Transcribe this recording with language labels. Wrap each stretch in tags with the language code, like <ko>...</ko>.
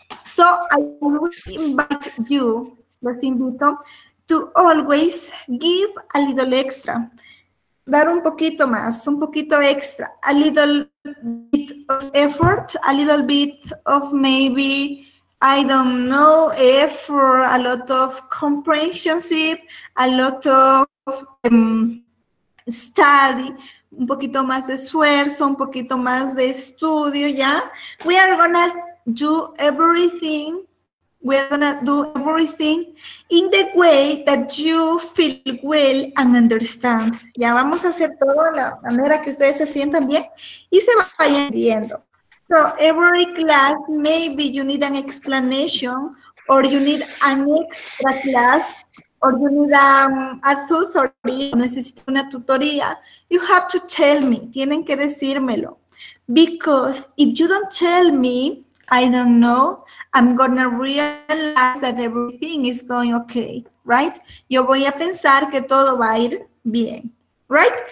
<en>So I will invite you,</en> <es>los invito,</es> <en>to always give a little extra,</en> <es>dar un poquito más, un poquito extra,</es> <en>a little bit of effort, a little bit of maybe, I don't know, effort, a lot of comprehensive, a lot of study,</en> <es>un poquito más de esfuerzo, un poquito más de estudio,</es> <en>¿ya? Yeah? We are gonna do everything. We are going to do everything in the way that you feel well and understand.</en> <es>Ya vamos a hacer todo de la manera que ustedes se sientan bien y se vayan entendiendo.</es> <en>So every class, maybe you need an explanation or you need an extra class or you need a tutory,</en> <es>necesito una tutoría.</es> <en>You have to tell me,</en> <es>tienen que decírmelo.</es> <en>Because if you don't tell me, I don't know, I'm gonna realize that everything is going okay, right?</en> <es>Yo voy a pensar que todo va a ir bien,</es> <en>right?</en>